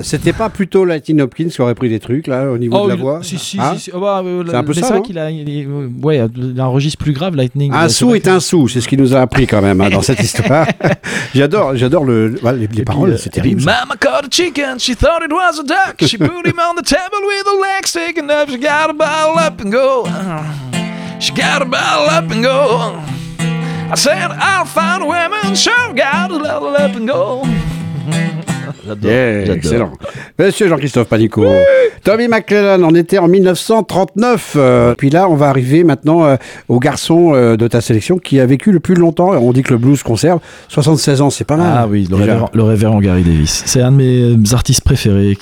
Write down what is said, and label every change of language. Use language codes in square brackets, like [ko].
[fr] C'était pas plutôt Lightning Hopkins qui aurait pris des trucs, là, au niveau de la voix? Si, si, hein? Si. Oh, bah, c'est un peu ça. C'est vrai qu'il a, il a un registre plus grave, Lightning. Un sou est un sou, c'est ce qu'il nous a appris quand même, hein, dans cette histoire. J'adore les paroles, c'est terrible. [en] Mama caught a chicken, she thought it was a duck. She put him on the table with a leg sticking up. She got a bottle up and go. She got a bottle up and go. I said I'll find a woman, sure got to level up and go. [fr] J'adore. [en] Yeah, excellent. [fr] Monsieur Jean-Christophe Panico. Oui. Tommy McLellan, on était en 1939. Puis là, on va arriver maintenant au garçon de ta sélection qui a vécu le plus longtemps. On dit que le blues conserve 76 ans, c'est pas mal. Ah oui, le révérend Gary Davis. C'est un de mes artistes préférés.